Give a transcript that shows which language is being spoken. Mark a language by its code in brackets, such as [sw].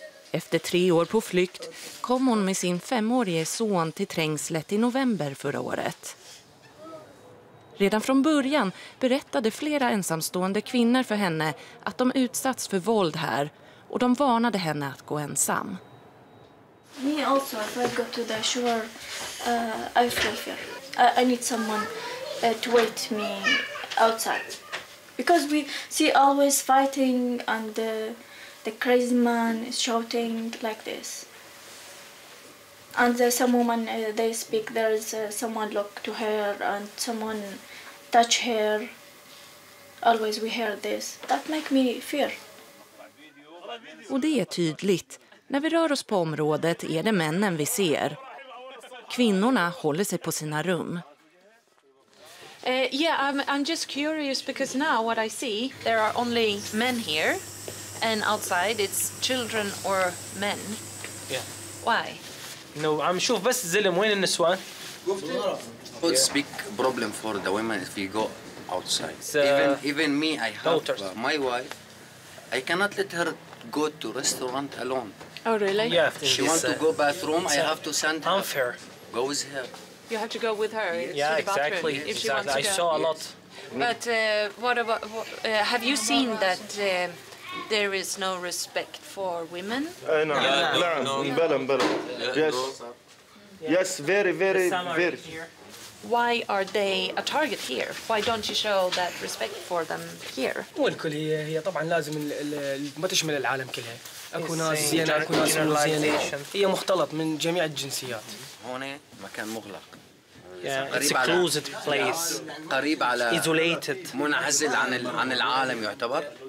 [sv] Efter 3 år på flykt kom hon med sin 5-årige son till Trängslet i november förra året. Redan från början berättade flera ensamstående kvinnor för henne att de utsatts för våld här. Och de varnade henne att gå ensam. [en] Me also if I go to the shore, I feel fear. I need someone to wait me outside. Because we see always fighting and the crazy man is shouting like this. And there's some woman they speak there's someone look to her and someone touch her. always we hear this. That make me fear. [sv] Och det är tydligt. När vi rör oss på området är det männen vi ser. Kvinnorna håller sig på sina rum. [en] I'm just curious because now what I see, there are only men here. And outside it's children or men. Yeah. Why? No, I'm sure [ar] بس زلم وين النسوان. [en] Could speak problem for the women if you go outside. Even me, I have my wife. I cannot let her go to restaurant alone. Oh really? Yeah. She want to go bathroom. I have to send her. Unfair. Go with her. You have to go with her. Yeah, to the bathroom, exactly. If she wants to go. I saw a lot. But what about? Have you seen that? There is no respect for women. No, yeah. No. Yes. Yes, very, very, very. Why are they a target here? Why don't you show that respect for them here? [ar] Well, كل هي طبعا لازم ما تشمل العالم كلها. أكو ناس زينة، أكو ناس مو زينة. هي مختلط من جميع الجنسيات. هون مكان مغلق. [en] Yeah, it's a closed place. [ar] قريب على [en] isolated. [ar] منعزل عن العالم يعتبر.